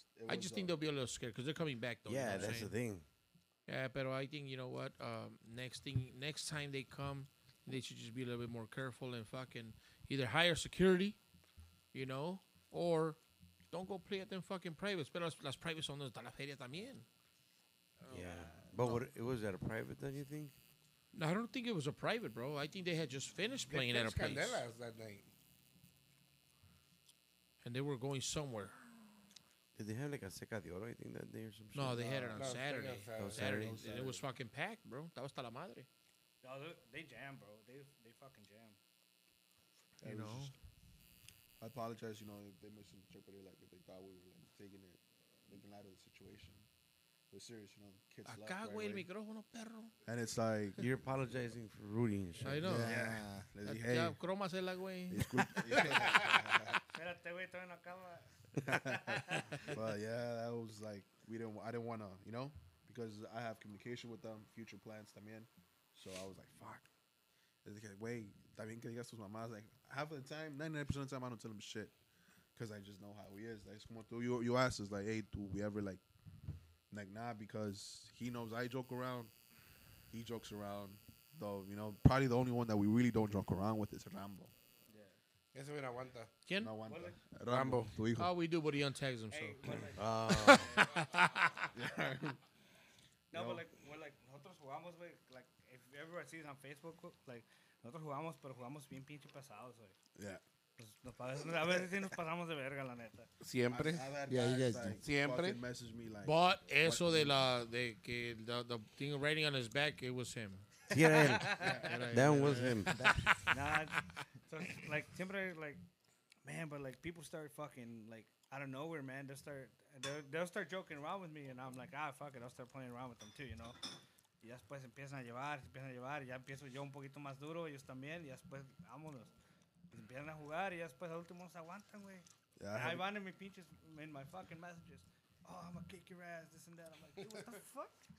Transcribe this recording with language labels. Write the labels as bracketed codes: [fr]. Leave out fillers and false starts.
[en] I just think they'll be a little scared because they're coming back, though. Yeah, you know that's the thing. Yeah, but I think, you know what, next time they come, they should just be a little bit more careful and fucking either hire security, you know, or don't go play at them fucking privates. [es] Pero las privates son de la feria también. [en] Yeah, but was that a private, don't you think? No, I don't think it was a private, bro. I think they had just finished playing at a place. They finished Candelas that night. And they were going somewhere. Did they have like a Seca de Oro, I think, that day or some shit? No, they had it on Saturday. Saturday. It was fucking packed, bro. That was [es] hasta la madre. [en] No, they jam, bro. They fucking jam. You know? Just, I apologize, you know, if they misinterpreted like if they thought we were like taking it, making light of the situation. But serious, you know, kids [es] acá [en] left, right, [es] güey, [en] right. [es] El micrófono, perro. [en] And it's like, you're apologizing for Rudy and shit. I know. Yeah. Yeah. Hey. Ya, [es] cromasela, güey. Espérate, güey, todavía no acaba. [en] But yeah, that was like, I didn't want to, you know, because I have communication with them, future plans [es] también. [en] So I was like, fuck. [es] Es que, güey, también que digas tus mamás. [en] Like, half of the time, 99% of the time, I don't tell him shit. Because I just know how he is. Like, [es] es como tú, [en] you ask us, like, hey, do we ever, like, nah, because he knows I joke around. he jokes around, though, you know, probably the only one that we really don't joke around with is Rambo. [es] Ese me aguanta. ¿Quién? No aguanta. Like? Rambo, tu hijo. [en] Oh, we do, but he untags him, so. Hey, like? No, but like, we're like, [es] nosotros jugamos, [en] we, like, if everyone sees on Facebook, like, [es] nosotros jugamos, pero jugamos bien pinche pesados, [en] we. Yeah. [es] A veces sí nos pasamos de verga, la neta. Siempre. Siempre. [en] But [es] eso de la, de que [en] the thing writing on his back, it was him. [es] Sí, era él. [en] That was him. So, like, [es] siempre, [en] like, man, but, like, people start fucking, like, out of nowhere, man. They'll start joking around with me, and I'm like, ah, fuck it. I'll start playing around with them, too, you know? [es] Y después empiezan a llevar, y ya empiezo yo un poquito más duro, ellos también, y después, vámonos. Empiezan a jugar, y después, al último, se aguantan, güey. Ahí van en mis pinches, [en] in my fucking messages. Oh, I'm gonna kick your ass, this and that. I'm like, dude, what the fuck?